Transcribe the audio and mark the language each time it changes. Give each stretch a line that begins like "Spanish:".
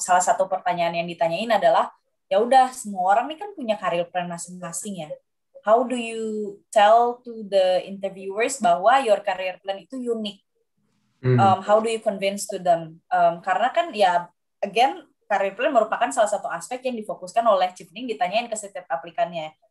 Indonesian: Salah satu pertanyaan yang ditanyain adalah ya udah semua orang nih kan punya career plan masing-masing ya.
English: How do you tell to the interviewers bahwa your career plan itu unique? How do you convince to them?
Indonesian: Karena kan ya again career plan merupakan salah satu aspek yang difokuskan oleh Chipning ditanyain ke setiap aplikannya.